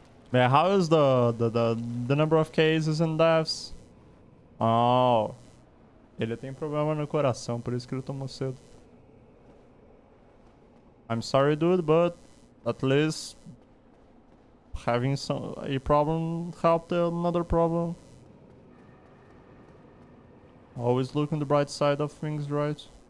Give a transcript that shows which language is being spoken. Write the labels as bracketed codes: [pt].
[en] Man, how is the number of cases and deaths? Oh. [pt] Ele tem problema no coração, por isso que ele tomou cedo. [en] I'm sorry, dude, but at least having a problem helped another problem. Always look on the bright side of things, right?